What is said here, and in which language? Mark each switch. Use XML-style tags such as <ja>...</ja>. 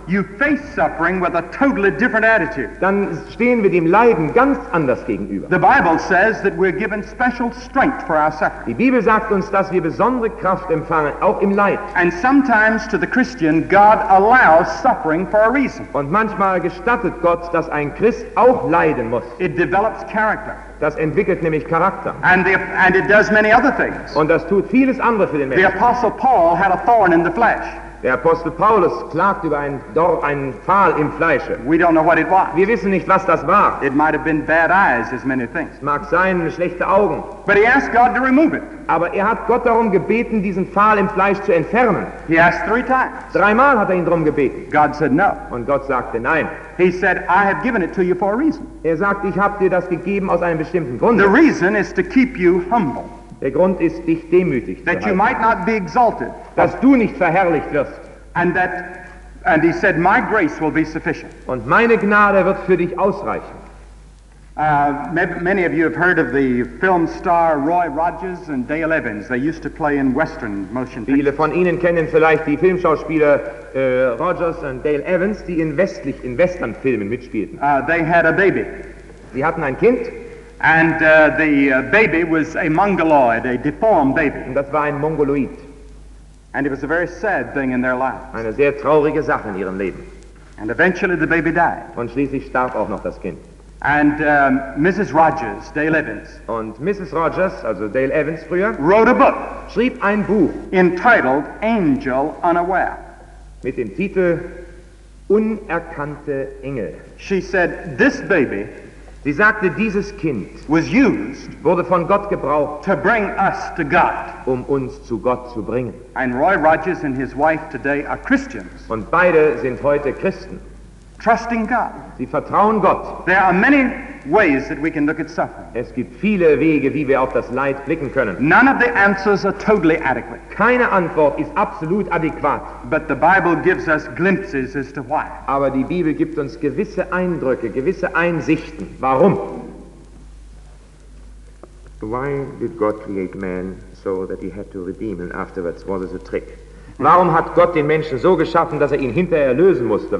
<en>you face suffering with a totally different attitude.</en> <de>Dann stehen wir dem Leiden ganz anders gegenüber.</de> <en>The Bible says that we're given special strength for our suffering.</en> <de>Die Bibel sagt uns, dass wir besondere Kraft empfangen, auch im Leid.</de> <en>And sometimes to the Christian, God allows suffering for a reason.</en> <de>Und manchmal gestattet Gott, dass ein Christ auch leiden muss.</de> <en>It develops character.</en> <de>Das entwickelt nämlich Charakter.</de> <en>And it does many other things.</en> <de>Und das tut vieles andere für den Menschen.</de> <en>The Apostle Paul had a thorn in the flesh.</en> <de>Der Apostel Paulus klagt über einen Pfahl im Fleische.</de> <en>We don't know what it was.</en> <de>Wir wissen nicht, was das war.</de> <en>It might have been bad eyes, as many things.</en> <de>Mag sein, schlechte Augen.</de> <en>But he asked God to remove it.</en> <de>Aber er hat Gott darum gebeten, diesen Pfahl im Fleisch zu entfernen.</de> <en>He asked three times.</en> <de>Dreimal hat er ihn darum gebeten.</de> <en>God said no.</en> <de>Und Gott sagte nein.</de> <en>He said, I have given it to you for a reason.</en> <de>Er sagt, ich habe dir das gegeben aus einem bestimmten Grund.</de> <en>The reason is to keep you humble.</en> <de>Der Grund ist, dich demütig</de> <en>that you might not be exalted,</en> <de>dass du nicht verherrlicht wirst.</de> <en>And he said, my grace will be sufficient.</en> <de>Und meine Gnade wird für dich ausreichen.</de> <en>Many of you have heard of the film star Roy Rogers and Dale Evans. They used to play in Western motion pictures.</en> <de>Viele von Ihnen kennen vielleicht die Filmschauspieler Rogers und Dale Evans, die in Western Filmen mitspielten.</de> <en>They had a baby.</en> <de>Sie hatten ein Kind.</de> <en>And the baby was a mongoloid, a deformed baby.</en> <de>Und das war ein Mongoloid.</de> <en>And it was a very sad thing in their lives.</en> <de>Eine sehr traurige Sache in ihrem Leben.</de> <en>And eventually the baby died.</en> <de>Und schließlich starb auch noch das Kind.</de> <en>And Mrs. Rogers, Dale Evans.</en> <de>Und Mrs. Rogers, also Dale Evans früher,</de> <en>wrote a book.</en> <de>Schrieb ein Buch.</de> <en>Entitled Angel Unaware.</en> <de>Mit dem Titel Unerkannte Engel.</de> <en>She said, this baby,</en> <de>sie sagte, dieses Kind</de> <en>was used,</en> <de>wurde von Gott gebraucht,</de> <en>to bring us to God,</en> <de>um uns zu Gott zu bringen.</de> <en>And Roy Rogers and his wife today are Christians.</en> <de>Und beide sind heute Christen.</de> <en>Trusting God.</en> <de>Sie vertrauen Gott.</de> <en>There are many ways that we can look at suffering.</en> <de>Es gibt viele Wege, wie wir auf das Leid blicken können.</de> <en>None of the answers are totally adequate.</en> <de>Keine Antwort ist absolut adäquat.</de> <en>But the Bible gives us glimpses as to why.</en> <de>Aber die Bibel gibt uns gewisse Eindrücke, gewisse Einsichten. Warum?</de> <en>Why did God create man so that he had to redeem him afterwards? Was it a trick?</en> <de>Warum hat Gott den Menschen so geschaffen, dass er ihn hinterher erlösen musste?</de>